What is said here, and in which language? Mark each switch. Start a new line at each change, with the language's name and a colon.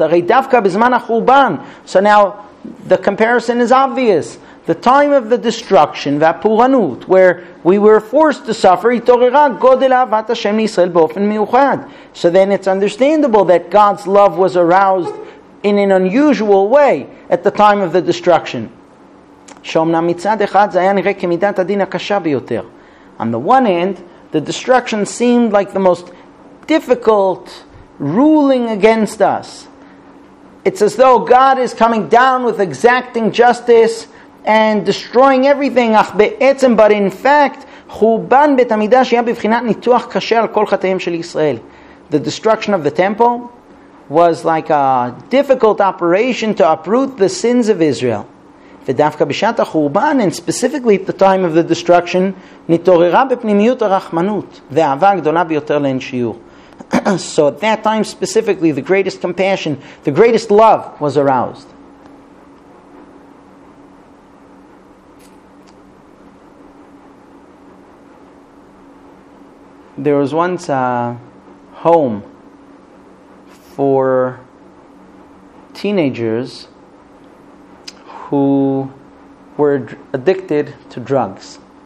Hebrew: הרי דווקא בזמן החורבן.
English: So now, the comparison is obvious. The time of the destruction,
Hebrew: והפורענות,
English: where we were forced to suffer,
Hebrew: התעוררה גודל אהבת השם לישראל באופן מיוחד.
English: So then it's understandable that God's love was aroused in an unusual way at the time of the destruction.
Hebrew: שאומנם מצד אחד זה היה נראה כמידת הדין הקשה ביותר.
English: On the one hand, the destruction seemed like the most difficult ruling against us. It's as though God is coming down with exacting justice and destroying everything.
Hebrew: אך בעצם,
English: but in fact,
Hebrew: חורבן בית המקדש היה בבחינת ניתוח קשה על כל חטאים של ישראל.
English: The destruction of the temple was like a difficult operation to uproot the sins of Israel.
Hebrew: ודווקא בשעת החורבן,
English: and specifically at the time of the destruction,
Hebrew: נתעוררה בפנימיות הרחמנות, ואהבה הגדולה ביותר לאין שיעור.
English: So at that time specifically, the greatest compassion, the greatest love was aroused. There was once a home for teenagers who were addicted to drugs.